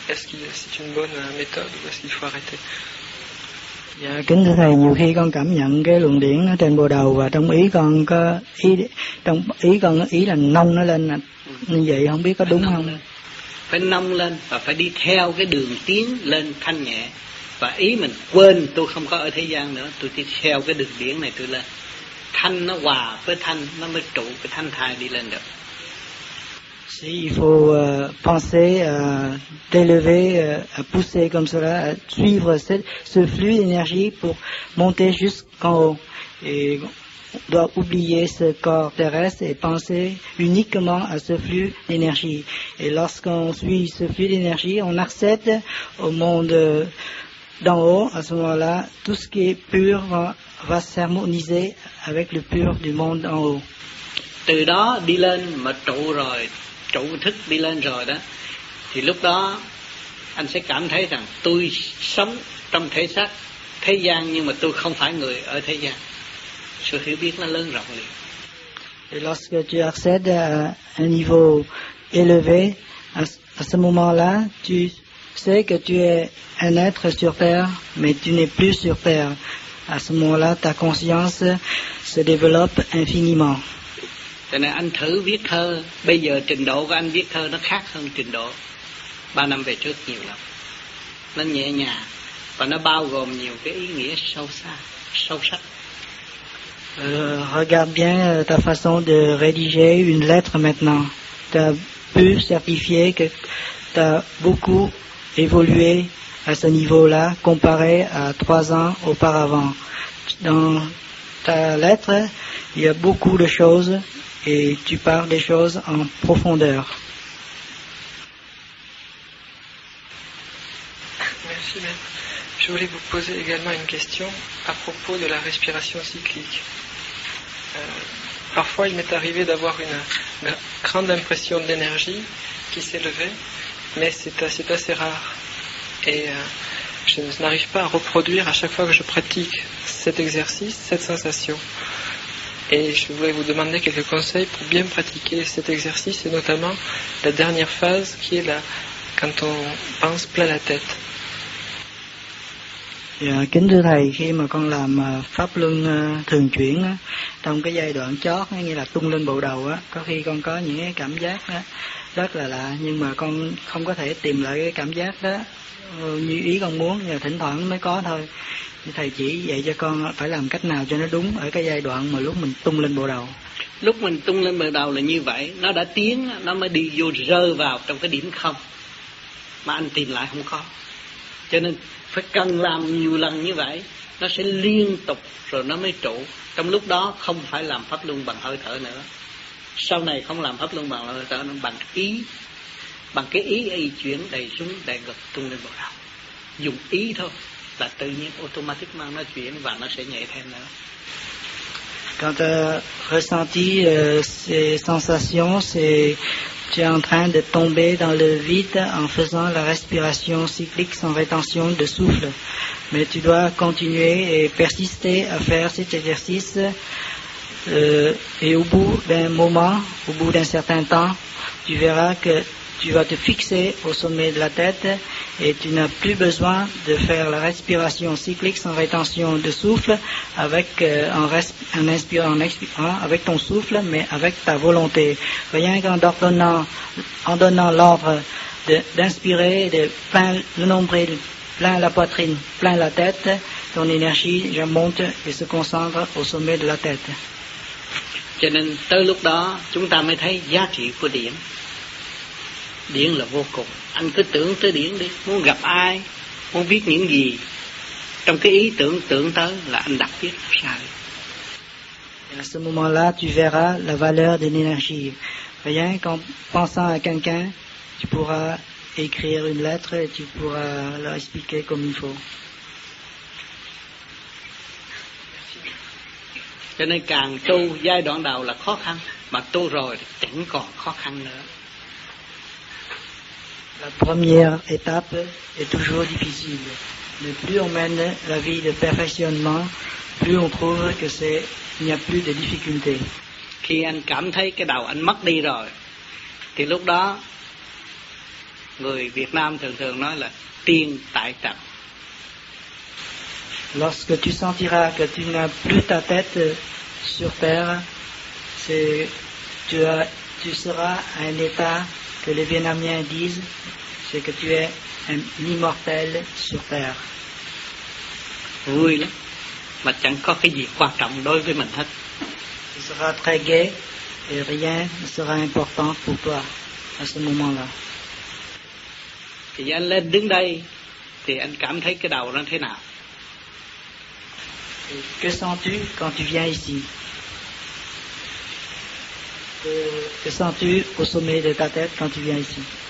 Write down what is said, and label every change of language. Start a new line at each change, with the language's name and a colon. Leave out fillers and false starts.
French: Est-ce que c'est une bonne méthode ou est-ce qu'il faut arrêter?
Vietnamese: Dạ kính thưa thầy, nhiều khi con cảm nhận cái luồng điện ở trên bộ đầu và trong ý con có ý, trong ý con ý là nâng nó lên như vậy, không biết có đúng không? Phải nâng lên và phải đi theo cái đường tiến lên thanh nhẹ, và ý mình quên tôi không có ở thế gian nữa, tôi đi theo cái đường điện này tôi lên thanh, nó hòa với thanh, nó mới trụ cái thanh thai đi lên được.
French: Si, il faut penser à t'élever, à pousser comme cela, à suivre ce flux d'énergie pour monter jusqu'en haut. Et on doit oublier ce corps terrestre et penser uniquement à ce flux d'énergie. Et lorsqu'on suit ce flux d'énergie, on accède au monde d'en haut. À ce moment-là, tout ce qui est pur va s'harmoniser avec le pur du monde d'en haut.
Vietnamese: Từ đó đi lên mà trụ rồi, trụ thức đi lên rồi đó, thì lúc đó anh sẽ cảm thấy rằng tôi sống trong thể xác thế gian nhưng mà tôi không phải người ở thế gian. Sự hiểu biết nó lớn rộng liền.
French: Et lorsque tu accèdes à un niveau élevé, à ce moment-là, tu sais que tu es un être sur terre, mais tu n'es plus sur terre. À ce moment-là, ta conscience se développe infiniment.
Vietnamese: Cho nên anh thử viết thơ, bây giờ trình độ của anh viết thơ nó khác hơn trình độ 3 năm về trước nhiều lắm. Nó nhẹ nhàng và nó bao gồm nhiều cái ý nghĩa sâu xa, sâu sắc.
French: Regarde bien ta façon de rédiger une lettre maintenant. Tu as pu certifier que tu as beaucoup évolué à ce niveau-là comparé à 3 ans auparavant. Dans ta lettre, il y a beaucoup de choses. Et tu parles des choses en profondeur. Merci, maître. Je voulais vous poser également une question à propos de la respiration cyclique. Parfois, il m'est arrivé d'avoir une grande impression d'énergie qui s'élevait, mais c'est assez rare. Et je n'arrive pas à reproduire à chaque fois que je pratique cet exercice, cette sensation. Et je voulais vous demander quelques conseils pour bien pratiquer cet exercice, et notamment la dernière phase qui est là, quand on pense plein la tête.
Vietnamese: Dạ, kính thưa thầy, khi mà con làm pháp luân thường chuyển á, trong cái giai đoạn chót á, như là tung lên bộ đầu á, có khi con có những cái cảm giác á, rất là lạ, nhưng mà con không có thể tìm lại cái cảm giác đó như ý con muốn, và thỉnh thoảng mới có thôi. Thầy chỉ dạy cho con phải làm cách nào cho nó đúng ở cái giai đoạn mà lúc mình tung lên bộ đầu. Lúc mình tung lên bộ đầu là như vậy, nó đã tiến, nó mới đi vô rơ vào trong cái điểm không, mà anh tìm lại không có. Cho nên phải cần làm nhiều lần như vậy, nó sẽ liên tục rồi nó mới trụ. Trong lúc đó không phải làm pháp luân bằng hơi thở nữa. Sau này không làm pháp luân bằng hơi thở nữa, bằng ý. Bằng cái ý ấy chuyển đầy xuống đầy ngực tung lên bộ đầu. Dùng ý thôi là tự nhiên automatic mang nó chuyển và nó sẽ nhảy thêm nữa.
French: Quand tu as ressenti ces sensations, c'est tu es en train de tomber dans le vide en faisant la respiration cyclique sans rétention de souffle. Mais tu dois continuer et persister à faire cet exercice. Et au bout d'un moment, au bout d'un certain temps, tu verras que tu vas te fixer au sommet de la tête et tu n'as plus besoin de faire la respiration cyclique sans rétention de souffle avec avec ton souffle, mais avec ta volonté. Rien qu'en ordonnant, en donnant l'ordre d'inspirer, de plein le nombril, plein la poitrine, plein la tête, ton énergie déjà monte et se concentre au sommet de la tête.
Vietnamese: Cho nên tới lúc đó chúng ta mới thấy giá trị của điển. Điển là vô cùng. Anh cứ tưởng tới điển đi. Muốn gặp ai, muốn viết những gì, trong cái ý tưởng tưởng tới là anh đặt viết ra.
French: À ce moment-là, tu verras la valeur de l'énergie. Rien qu'en pensant à quelqu'un, tu pourras écrire une lettre et tu pourras leur expliquer comme il faut.
Vietnamese: Cho nên càng tu giai đoạn đầu là khó khăn, mà tu rồi chẳng còn khó khăn nữa.
French: La première étape est toujours difficile, mais plus on mène la vie de perfectionnement, plus on trouve que c'est il n'y a plus de difficultés.
Vietnamese: Khi anh cảm thấy cái đầu anh mất đi rồi, thì lúc đó người Việt Nam thường thường nói là tiên tại trần.
French: Lorsque tu sentiras que tu n'as plus ta tête sur terre, c'est tu seras à un état que les Vietnamiens disent, c'est que tu es un immortel sur terre.
Vietnamese: Vui lắm, mà chẳng có cái gì quan trọng đối với mình hết.
French: Tu seras très gai et rien ne sera important pour toi à ce moment-là.
Vietnamese: Thì anh lên đứng đây, thì anh cảm thấy cái đầu nó thế nào?
French: Que sens-tu quand tu viens ici? Que sens-tu au sommet de ta tête quand tu viens ici?